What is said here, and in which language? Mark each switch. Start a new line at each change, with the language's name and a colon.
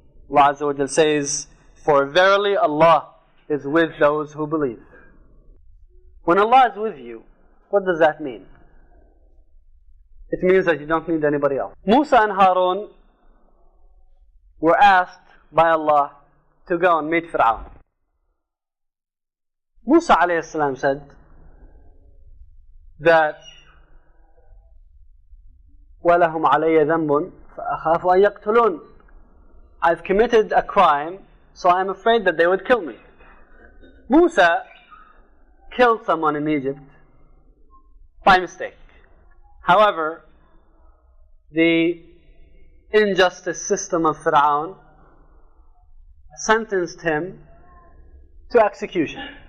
English: Allah Azza wa Jal says, for verily Allah is with those who believe. When Allah is with you, what does that mean? It means that you don't need anybody else. Musa and Harun were asked by Allah to go and meet Fir'aun. Musa alayhi salam said that
Arabic: وَلَهُمْ عَلَيَّ ذَنْبٌ فَأَخَافُ أَن يَقْتُلُونَ.
English: I've committed a crime, so I'm afraid that they would kill me. Musa killed someone in Egypt by mistake. However, the injustice system of Fir'aun sentenced him to execution.